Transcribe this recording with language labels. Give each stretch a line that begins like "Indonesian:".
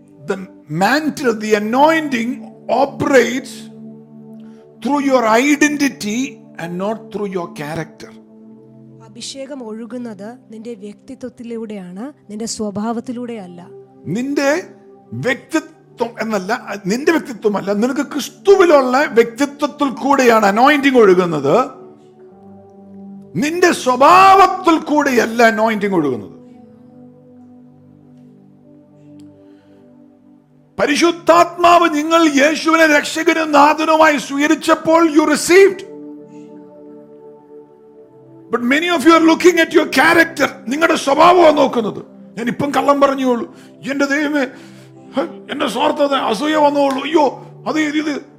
English: The mantle, the anointing operates through your identity and not through your character.
Malayalam: അഭിഷേകം ഒഴുകുന്നത് നിന്റെ വ്യക്തിത്വത്തിലൂടെയാണ്, നിന്റെ സ്വഭാവത്തിലൂടെയല്ല. നിന്റെ വ്യക്തിത്വം എന്നല്ല, നിന്റെ വ്യക്തിത്വമല്ല, നിനക്ക് ക്രിസ്തുവിലുള്ള വ്യക്തിത്വത്തിൽ കൂടെയാണ് അനോയിന്റിങ് ഒഴുകുന്നത്. നിന്റെ സ്വഭാവത്തിൽ കൂടെയല്ല അനോയിന്റിങ് ഒഴുകുന്നത്. പരിശുദ്ധാത്മാവ് നിങ്ങൾ യേശുവിനെ രക്ഷകനും നാഥനുമായി സ്വീകരിച്ചപ്പോൾ
English: You received. But many of you are looking at your character.
Malayalam: നിങ്ങളുടെ സ്വഭാവമാണ് നോക്കുന്നത്. ഞാൻ ഇപ്പം കള്ളം പറഞ്ഞോളൂ, എന്റെ ദൈവമേ, എന്റെ സ്വാർത്ഥത, അസൂയ വന്നോളൂ, അയ്യോ അത് ഇത്.